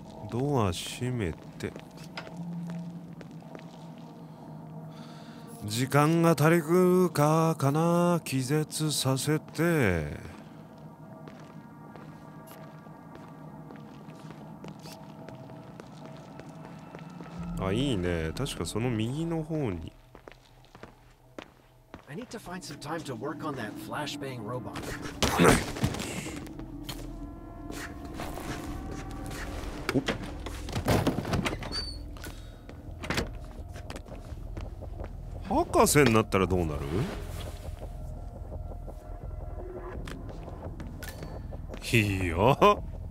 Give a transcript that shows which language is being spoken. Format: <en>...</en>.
<ja>ドア閉めて、時間が足りるかかな、気絶させて、あ、いいね、確かその右の方に。</ja> <en>I need to find some time to work on that flashbang robot.</en> <ja>おっ、博士になったらどうなる？いいよ。</ja>